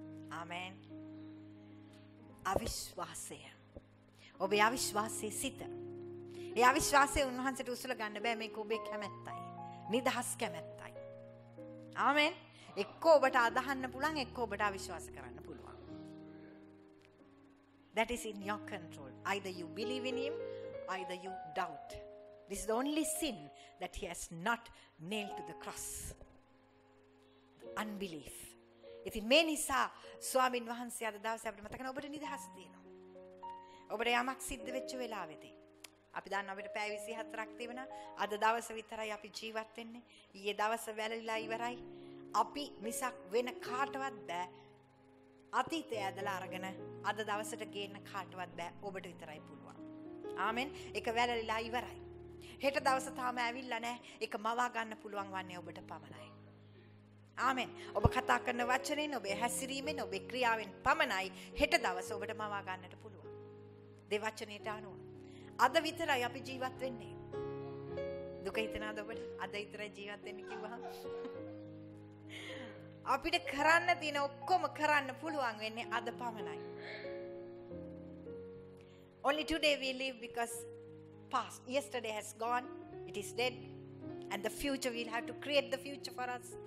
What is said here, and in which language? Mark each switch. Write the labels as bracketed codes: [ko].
[si] ආමෙන්. අවිශ්වාසය. ඔබේ අවිශ්වාසයේ සිට. ඒ අවිශ්වාසයේ උන්වහන්සේට උසුලා ගන්න බෑ. මේක ඔබේ කැමැත්තයි. නිදහස් කැමැත්තයි. ආමෙන්. එක්කෝ ඔබට අදහන්න පුළුවන් එක්කෝ ඔබට අවිශ්වාස කරන්න පුළුවන්. [en] That is in your control. Either you believe in him, either you doubt. This is the only sin that he has not nailed to the cross. The unbelief. [si] ඉතින් මේ නිසා ස්වාමින් වහන්සේ අද දවසේ අපිට මතකන ඔබට නිදහස් දෙනවා. ඔබට යමක් සිද්ධ වෙච්ච වෙලාවෙදී අපි දන්න අපිට පැය 24ක් තිබෙනවා. අද දවස විතරයි අපි ජීවත් වෙන්නේ. ඊයේ දවස වැළලිලා ඉවරයි. අපි මිසක් වෙන කාටවත් බෑ. අතීතය ඇදලා අරගෙන අද දවසට ගේන්න කාටවත් බෑ. ඔබට විතරයි පුළුවන්. ආමෙන්. එක වැළලිලා ඉවරයි. හෙට දවස තාම ඇවිල්ලා නැහැ. ඒක මවා ගන්න පුළුවන් වන්නේ ඔබට පමණයි. ආමෙන්. ඔබ කතා කරන වචනෙන්, ඔබේ හැසිරීමෙන්, ඔබේ ක්‍රියාවෙන් පමණයි හෙට දවස ඔබට මවා ගන්නට පුළුවන්. දෙවචනයට අනුව. අද විතරයි අපි ජීවත් වෙන්නේ. දුක හිතනවාද ඔබට? අද විතරයි ජීවත් වෙන්නේ කිව්වහම අපිට කරන්න තියෙන ඔක්කොම කරන්න පුළුවන් වෙන්නේ අද පමණයි. [en] Only today we live because past yesterday has gone, it is dead, and the future we'll have to create the future for us.